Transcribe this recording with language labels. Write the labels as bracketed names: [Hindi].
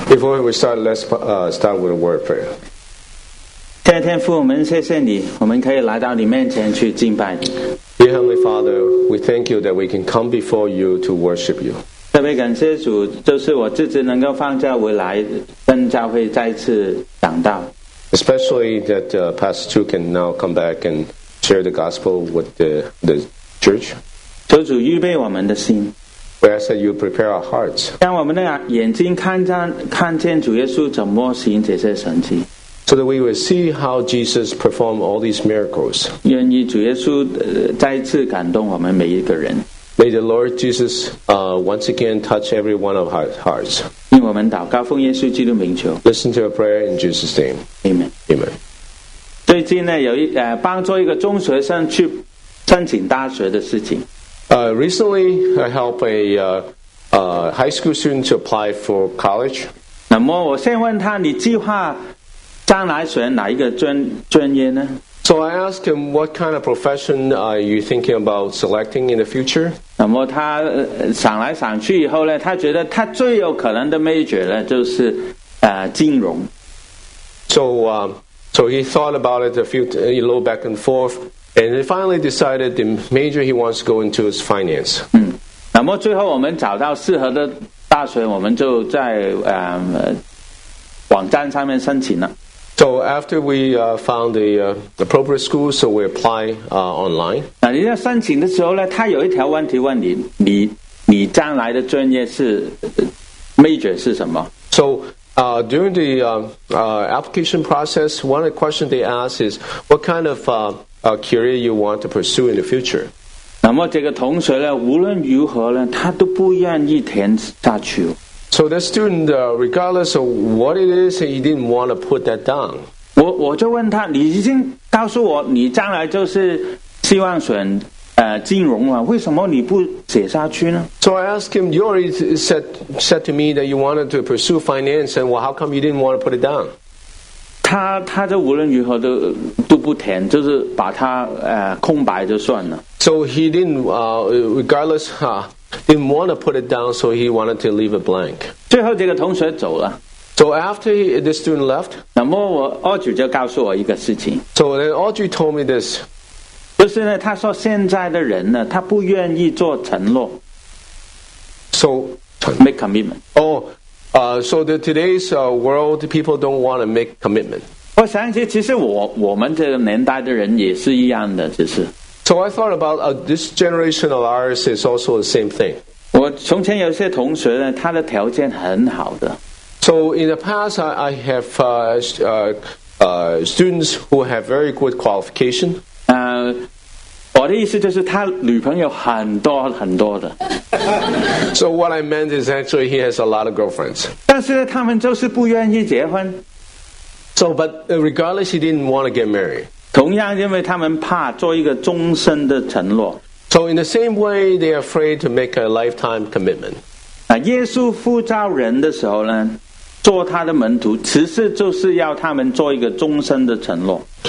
[English] Before we start, let's start with a word of prayer. [Chinese] 天父，天父，我们谢谢你，我们可以来到你面前去敬拜你。 [English] Dear Heavenly Father, we thank you that we can come before you to worship you. [Chinese] 特别感谢主，就是我自己能够放假回来，跟教会再次讲道。 [English] Especially that Pastor Chu can now come back and share the gospel with the church. [Chinese] 求主预备我们的心。 [English] We ask that you prepare our hearts. [Chinese] 让我们的眼睛看见主耶稣怎么行这些神迹。 [English] So that we will see how Jesus performed all these miracles. [Chinese] 愿意主耶稣再次感动我们每一个人。 [English] May the Lord Jesus once again touch every one of our hearts. [Chinese] 听我们祷告，奉耶稣基督名求。 [English] Listen to a prayer in Jesus' name. Amen. Amen. [Chinese] 最近呢，有帮助一个中学生去申请大学的事情。 [English] Recently, I helped a high school student to apply for college. [Chinese] 那么我先问他，你计划将来选哪一个专业呢？ [English] So I asked him, what kind of profession are you thinking about selecting in the future? [Chinese] 那么他想来想去以后呢，他觉得他最有可能的 major 呢，就是金融。 [English] So he thought about it a little back and forth. And he finally decided the major he wants to go into is finance. [Chinese] 那么最后我们找到适合的大学，我们就在网站上面申请了。 [English] So after we found the appropriate school, so we apply online. [Chinese] 那你在申请的时候呢，他有一条问题问你，你将来的专业是 major 是什么 [English] ？So during the application process, one of the questions they ask is what kind of a career you want to pursue in the future. [Chinese] 那么这个同学呢，无论如何呢，他都不愿意填下去。 [English] So the student, regardless of what it is, he didn't want to put that down. [Chinese] 我就问他，你已经告诉我你将来就是希望选金融了，为什么你不写下去呢？ [English] So I asked him, you already said to me that you wanted to pursue finance, and well, how come you didn't want to put it down? [Chinese] 他就无论如何都不填，就是把他空白就算了。 [English] So he didn't want to put it down, so he wanted to leave a blank. [Chinese] 最后这个同学走了。 [English] So after the student left, [Chinese] 那么我 Audrey 就告诉我一个事情。 [English] So then Audrey told me this. [Chinese] 就是呢，他说现在的人呢，他不愿意做承诺。 [English] So make commitment. Oh. So the today's world, people don't want to make commitment. [Chinese] 我想起其实我们这个年代的人也是一样的，其实。 [English] So I thought about this generation of ours is also the same thing. [Chinese] 我从前有些同学呢，他的条件很好的。 [English] So in the past, I have students who have very good qualification. [Chinese] 我的意思就是他女朋友很多很多的。 [English] So what I meant is actually he has a lot of girlfriends. [Chinese] 但是他们就是不愿意结婚。 [English] So but regardless, he didn't want to get married. [Chinese] 同样因为他们怕做一个终身的承诺。 [English] So in the same way, they are afraid to make a lifetime commitment. [Chinese] 耶稣呼召人的时候呢，做他的门徒，其实就是要他们做一个终身的承诺。